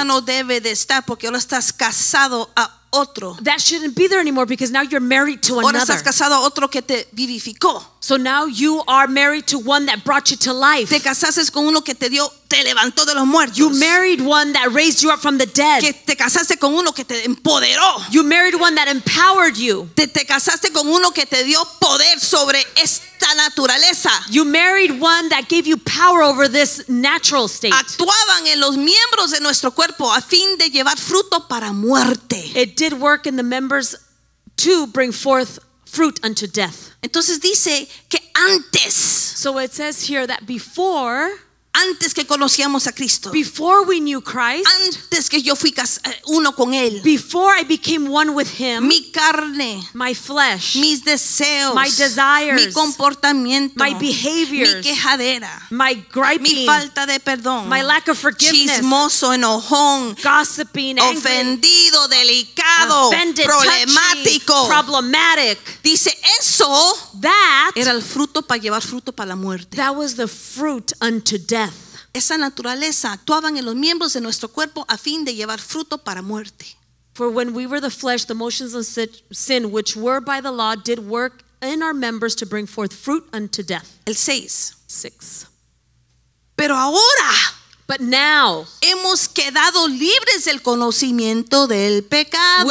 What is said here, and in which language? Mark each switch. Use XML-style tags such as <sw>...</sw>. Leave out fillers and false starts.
<es>Ya no debe de estar porque ahora estás casado a otro.</es> <en>That shouldn't be there anymore because now you're married to another.</en> <es>Ahora estás casado a otro que te vivificó.</es> <en>So now you are married to one that brought you to life.</en> <es>Te casaste con uno que te dio, te levantó de los muertos.</es> <en>You married one that raised you up from the dead.</en> <es>Que te casaste con uno que te empoderó.</es> <en>You married one that empowered you.</en> <es>Te casaste con uno que te dio poder sobre esta naturaleza.</es> <en>You married one that gave you power over this natural state.</en> <es>Actuaban en los miembros de nuestro cuerpo a fin de llevar fruto para muerte.</es> <en>It did work in the members to bring forth fruit unto death.</en> <es>Entonces dice que antes.</es> <en>So it says here that before,</en> <es>antes que conocíamos a Cristo.</es> <en>Before we knew Christ,</en> <es>antes que yo fui uno con él.</es> <en>Before I became one with him,</en> <es>mi carne,</es> <en>my flesh,</en> <es>mis deseos,</es> <en>my desires,</en> <es>mi comportamiento,</es> <en>my behaviors,</en> <es>mi quejadera,</es> <en>my griping,</en> <es>mi falta de perdón,</es> <en>my lack of forgiveness,</en> <es>chismoso, enojón,</es> <en>gossiping,</en> <es>ofendido,</es> <en>angry,</en> <es>delicado,</es> <en>offended,</en> <es>problemático,</es> <en>touchy, problematic.</en> <es>Dice eso,</es> <en>that</en> <es>era el fruto para llevar fruto para la muerte.</es> <en>That was the fruit unto death.</en> <es>Esa naturaleza actuaban en los miembros de nuestro cuerpo a fin de llevar fruto para muerte.</es> <en>For when we were the flesh, the motions of sin which were by the law did work in our members to bring forth fruit unto death.</en> <es>El 6. 6. Pero ahora,</es> <en>but now,</en> <es>hemos quedado libres del conocimiento del pecado.</es>